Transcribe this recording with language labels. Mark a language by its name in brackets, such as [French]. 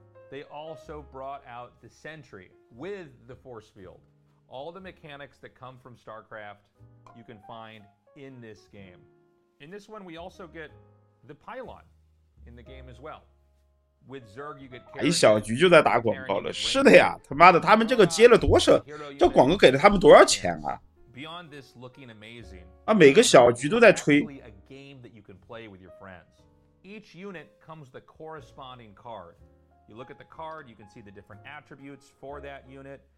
[English] They also brought out the Sentry with the Force Field. All the mechanics that come from StarCraft, you can find in this game. In this one, we also get the Pylon in the game as well. With Zerg, you get. [Chinese] 一小局就在打广告了，是的呀，他妈的，他们这个接了多少？这广告给了他们多少钱啊？ [English] Beyond this looking amazing. [Chinese] 啊，每个小局都在吹。 [English] A game that you can play with your friends. Each unit comes the corresponding card. You look at the card, you can see the different attributes for that unit.